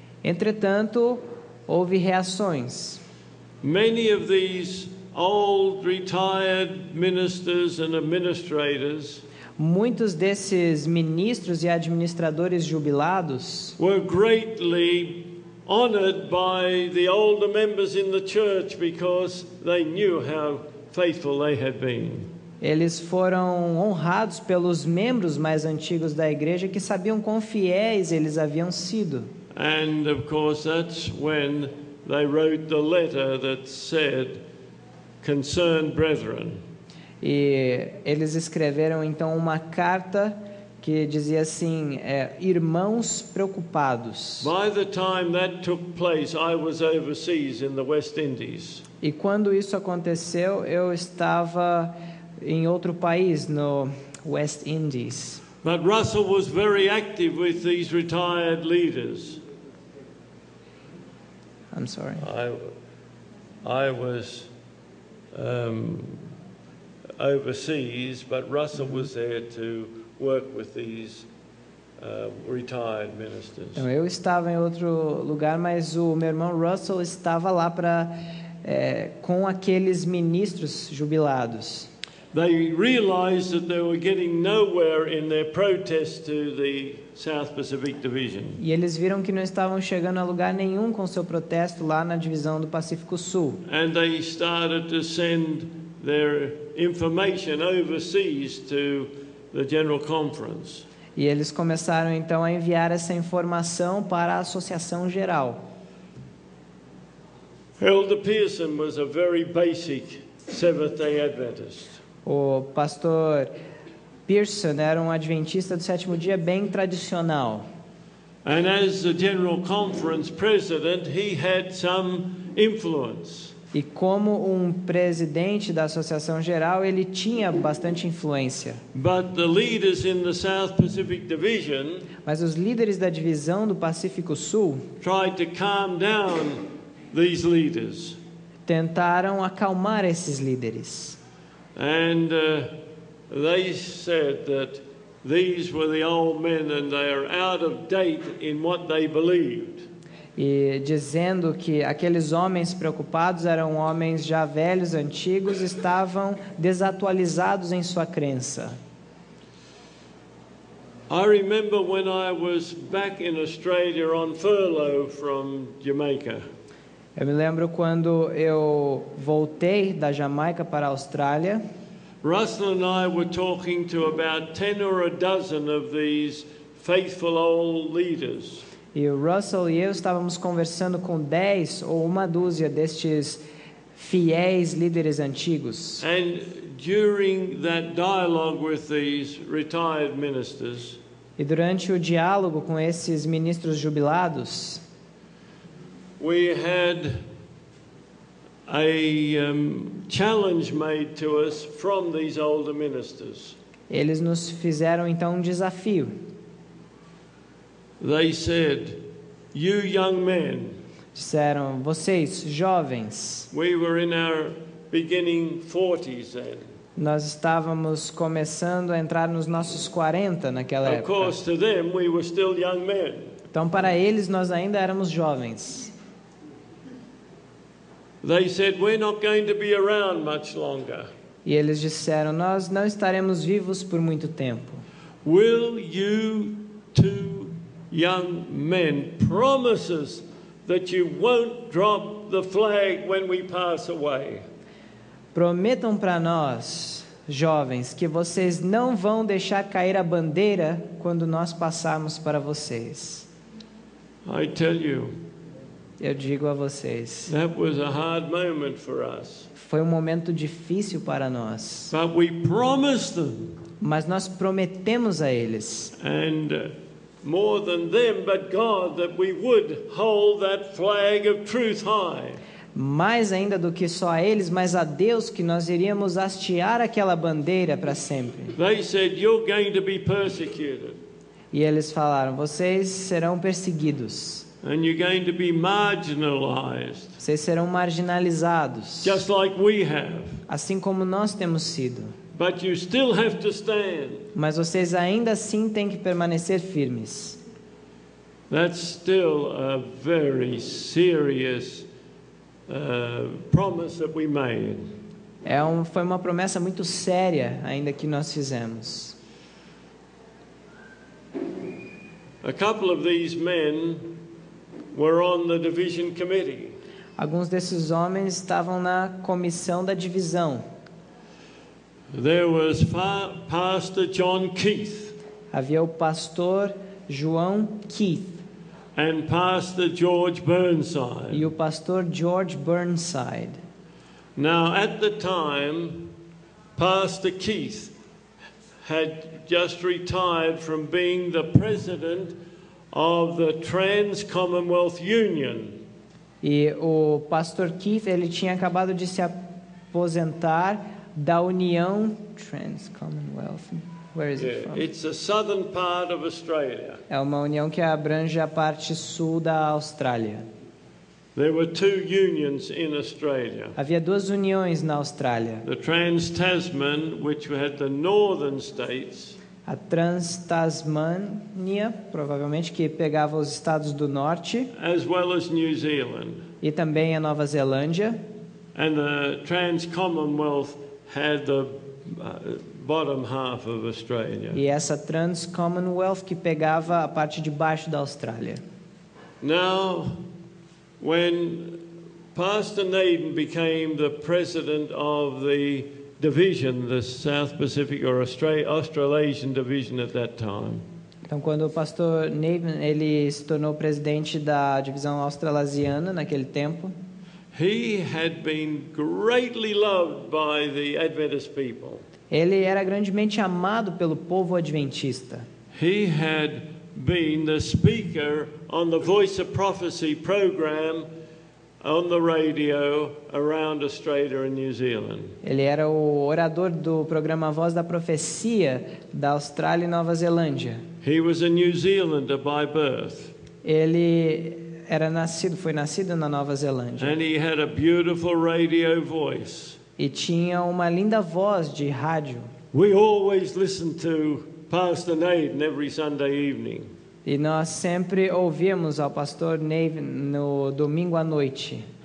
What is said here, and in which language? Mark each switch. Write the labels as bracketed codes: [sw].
[pt] Entretanto, houve reações. [en] Many of these old retired ministers and administrators, [pt] muitos desses ministros e administradores jubilados, [en] were greatly honored by the older members in the church because they knew how faithful they had been. [pt] Eles foram honrados pelos membros mais antigos da igreja que sabiam quão fiéis eles haviam sido. [en] And of course that's when they wrote the letter that said concern brethren. [pt] E eles escreveram então uma carta que dizia assim, irmãos preocupados. [en] By the time that took place, I was overseas in the West Indies. [pt] E quando isso aconteceu, eu estava em outro país, no West Indies. [en] But Russell was very active with these retired leaders. I'm sorry. I was overseas, but Russell was there to work with these retired ministers. [pt] Então, eu estava em outro lugar, mas o meu irmão Russell estava lá para com aqueles ministros jubilados. [en] They realized that they were getting nowhere in their protest to the South Pacific Division. [pt] E eles viram que não estavam chegando a lugar nenhum com seu protesto lá na divisão do Pacífico Sul. [en] And they started to send their information overseas to the General Conference. [pt] E eles começaram então a enviar essa informação para a Associação Geral. [en] Elder Pearson was a very basic Seventh-day Adventist. [pt] O pastor Pearson era um adventista do sétimo dia bem tradicional. [en] And as the General Conference president, he had some influence. [pt] E como um presidente da Associação Geral, ele tinha bastante influência. [en] But the leaders in the South Pacific Division, [pt] mas os líderes da divisão do Pacífico Sul, [en] tried to calm down these leaders. [pt] Tentaram acalmar esses líderes. [en] And they said that these were the old men and they are out of date in what they believed. [pt] E dizendo que aqueles homens preocupados eram homens já velhos, antigos, estavam desatualizados em sua crença. [en] I remember when I was back in Australia on furlough from Jamaica. [pt] Eu me lembro quando eu voltei da Jamaica para a Austrália. [en] Russell and I were talking to about 10 or a dozen of these faithful old leaders. [pt] E o Russell e eu estávamos conversando com 10 ou uma dúzia destes fiéis líderes antigos. [en] And during that dialogue with these retired ministers, [pt] e durante o diálogo com esses ministros jubilados, [en] we had a challenge made to us from these older ministers. [pt] Eles nos fizeram então desafio. [en] They said, "You young men." [pt] Disseram, vocês jovens. [en] We were in our beginning 40s then. [pt] Nós estávamos começando a entrar nos nossos 40 naquela época. [en] Of course, to them we were still young men. [pt] Então para eles nós ainda éramos jovens. [en] They said, "We're not going to be around much longer." [pt] E eles disseram, nós não estaremos vivos por muito tempo. [en] Will you two young men promise us that you won't drop the flag when we pass away? [pt] Prometam para nós, jovens, que vocês não vão deixar cair a bandeira quando nós passarmos para vocês. [en] I tell you, [pt] eu digo a vocês, [en] that was a hard moment for us. [pt] Foi um momento difícil para nós. [en] But we promised them. [pt] Mas nós prometemos a eles. [en] And more than them, but God, that we would hold that flag of truth high. [pt] Mais ainda do que só a eles, mas a Deus, que nós iríamos hastear aquela bandeira para sempre. [en] They said, "You're going to be persecuted." [pt] E eles falaram, vocês serão perseguidos. [en] And you're going to be marginalized. [pt] Vocês serão marginalizados. [en] Just like we have. [pt] Assim como nós temos sido. [en] But you still have to stand. [pt] Mas vocês ainda assim têm que permanecer firmes. [en] That's still a very serious promise that we made. [pt] Foi uma promessa muito séria ainda que nós fizemos. [en] A couple of these men were on the division committee. [pt] Alguns desses homens estavam na comissão da divisão. [en] There was Pastor John Keith. [pt] Havia o pastor João Keith. [en] And Pastor George Burnside. [pt] E o pastor George Burnside. [en] Now, at the time, Pastor Keith had just retired from being the president of the Trans Commonwealth Union. [pt] E o pastor Keith, ele tinha acabado de se aposentar da União Trans Commonwealth. [en] Where is it from? It's a southern part of Australia. [pt] É uma união que abrange a parte sul da Austrália. [en] There were two unions in Australia. [pt] Havia duas uniões na Austrália. [en] The Trans-Tasman, which had the northern states. [pt] A Trans-Tasmânia, provavelmente, que pegava os estados do norte. [en] As well as New Zealand. [pt] E também a Nova Zelândia. [en] And the Trans-Commonwealth had the bottom half of Australia. [pt] E essa Trans-Commonwealth que pegava a parte de baixo da Austrália. [en] Now, when Pastor Naden became the president of the division, the South Pacific or Australasian division at that time. [pt] Então, quando o pastor Naden ele se tornou presidente da divisão australasiana naquele tempo. [en] He had been greatly loved by the Adventist people. [pt] Ele era grandemente amado pelo povo adventista. [en] He had been the speaker on the Voice of Prophecy program on the radio around Australia and New Zealand. [pt] Ele era o orador do programa Voz da Profecia da Austrália e Nova Zelândia. [en] He was a New Zealander by birth. [pt] Ele era nascido, foi nascido na Nova Zelândia. [en] And he had a beautiful radio voice. [pt] E tinha uma linda voz de rádio. [en] We always listened to Pastor Naden every Sunday evening. [pt] E nós sempre ouvíamos ao pastor Naden no domingo à noite.